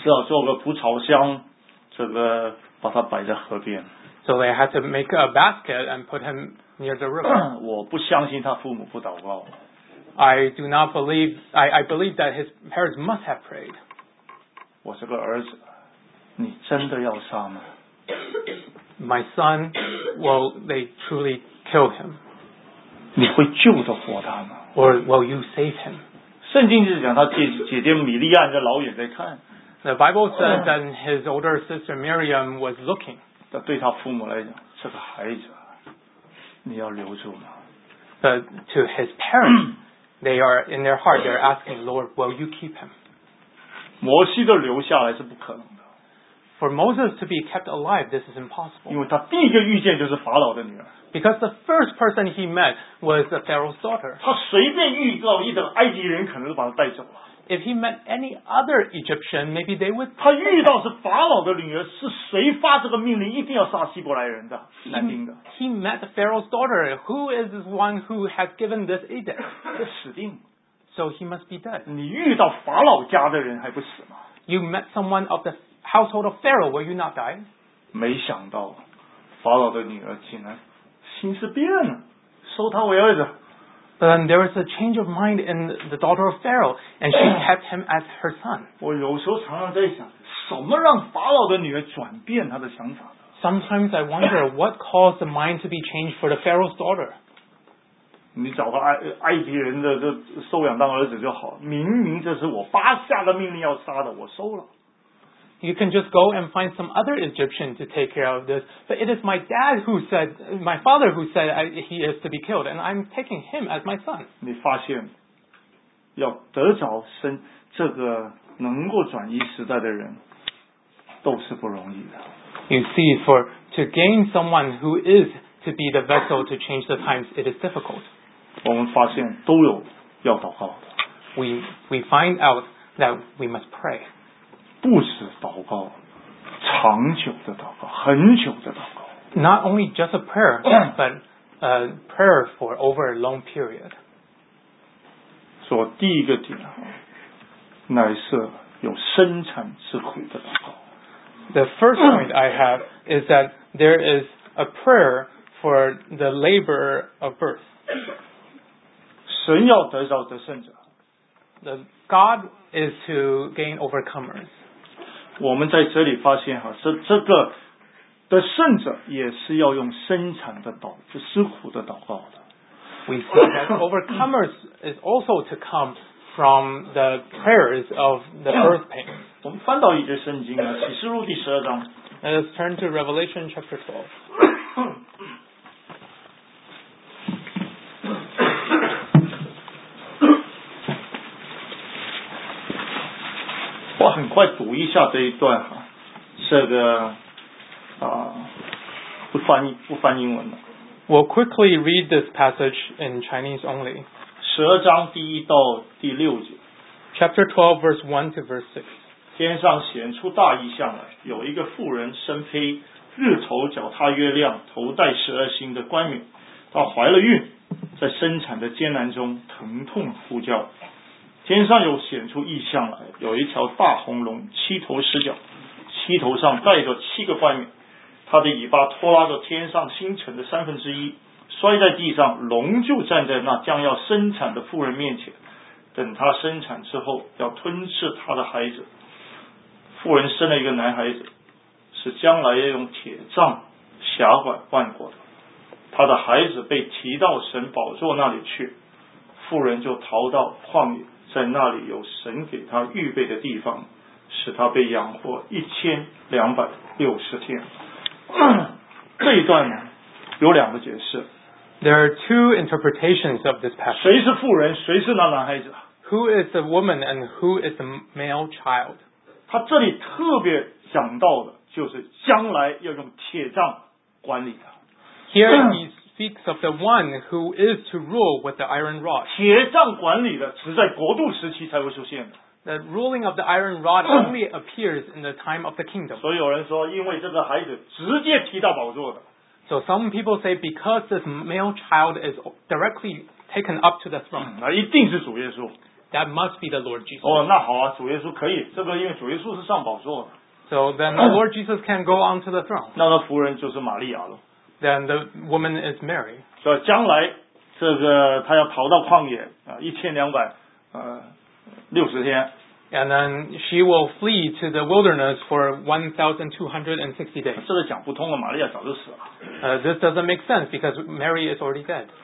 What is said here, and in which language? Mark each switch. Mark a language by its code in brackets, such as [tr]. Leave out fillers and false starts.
[zh] 只好做个蒲草箱，这个把他摆在河边。 [en] So they had to make a basket and put him near the river. [zh] 我不相信他父母不祷告。 [en] I do not believe, I believe that his parents must have prayed. [zh] 我这个儿子，你真的要杀吗？ [en] My son, will they truly kill him? [zh] 你会救得活他吗？ [en] Or will you save him? [zh] 圣经就是讲他姐姐米利安在老远在看。 [en] The Bible says that his older sister Miriam was looking. [zh] 对他父母来讲，这个孩子，你要留住吗？ [en] But to his parents, they are in their heart, they're asking, Lord, will you keep him? [zh] 摩西的留下来是不可能。 [en] For Moses to be kept alive, this is impossible. [zh] 因为他第一个遇见就是法老的女儿。 [en] Because the first person he met was the Pharaoh's daughter. [zh] 他随便遇到一个埃及人，可能就把他带走了。 [en] If he met any other Egyptian, maybe they would. [zh] 他遇到是法老的女儿，是谁发这个命令一定要杀希伯来人的男丁的 [en] ？He met the Pharaoh's daughter, who is the one who has given this edict. [zh] 这死定了。 [en] So he must be dead. [zh] 你遇到法老家的人还不死吗 [en] ？You met someone of the household of Pharaoh, will you not die? [zh] 没想到，法老的女儿竟然心思变了，收他为儿子。 [en] But then there was a change of mind in the daughter of Pharaoh, and she kept him as her son. [zh] 我有时候常常在想，什么让法老的女儿转变她的想法？ [en] Sometimes I wonder what caused the mind to be changed for the Pharaoh's daughter. [zh] 你找个埃及人的这收养当儿子就好，明明这是我巴下的命令要杀的，我收了。 [en] You can just go and find some other Egyptian to take care of this. But it is my dad who said, my father who said he is to be killed, and I'm taking him as my son. [zh] 你发现，要得着生这个能够转移时代的人，都是不容易的。 [en] You see, for to gain someone who is to be the vessel to change the times, it is difficult. [zh] 我们发现都有要祷告的。 [en] We find out that we must pray. [zh] 不是祷告，长久的祷告，很久的祷告。 [en] Not only just a prayer, but a prayer for over a long period. [zh] 所以第一个点，乃是有生产智慧的祷告。 [en] The first point I have is that there is a prayer for the labor of birth. [zh] 神要得着得胜者。 [en] The God is to gain overcomers. [zh] 我们在这里发现哈，这个的圣者也是要用生产的祷，就吃苦的祷告的。 [en] We see that overcomers is also to come from the prayers of the birth pains. [zh] 我们翻到一节圣经啊，启示录第十二章。 [en] Let's turn to Revelation chapter 12. [zh] 快读一下这一段哈，这个不翻译，不翻英文了。 [en] We'll quickly read this passage in Chinese only. [zh] 十二章第一到第六节。 [en] Chapter 12, verse 1 to verse 6. [zh] 天上显出大异象来，有一个妇人身披日头，脚踏月亮，头戴十二星的冠冕。她怀了孕，在生产的艰难中疼痛呼叫。天上又显出异象来，有一条大红龙，七头十脚，七头上戴着七个冠冕，它的尾巴拖拉着天上星辰的三分之一，摔在地上，龙就站在那将要生产的妇人面前，等她生产之后要吞噬她的孩子。妇人生了一个男孩子，是将来要用铁杖辖管万国的，她的孩子被提到神宝座那里去，妇人就逃到旷野，在那里有神给他预备的地方，使他被养活1260天。这一段呢有两个解释。 [en] There are two interpretations of this passage. [zh] 谁是妇人，谁是那男孩子？ [en] Who is the woman and who is the male child? [zh] 他这里特别讲到的就是将来要用铁杖管理的。 [en] Here he speaks of the one who is to rule with the iron rod. [zh] 铁杖管理的只在国度时期才会出现的。 [en] The ruling of the iron rod only appears in the time of the kingdom. [zh] 所以有人说，因为这个孩子直接提到宝座的。 [en] So some people say because this male child is directly taken up to the throne. [zh] 那一定是主耶稣。 [en] That must be the Lord Jesus. [zh] 哦，那好啊，主耶稣可以，这个因为主耶稣是上宝座的。 [en] So then the Lord Jesus can go onto the throne. [zh] 那个妇人就是玛利亚了。 [en] Then the woman is Mary. [zh] 所以将来这个他要逃到旷野啊，一千两百60天。 [en] And then she will flee to the wilderness for 1260 days. [zh] 这个讲不通了，玛利亚早就死了。 [en] This doesn't make sense because Mary is already dead.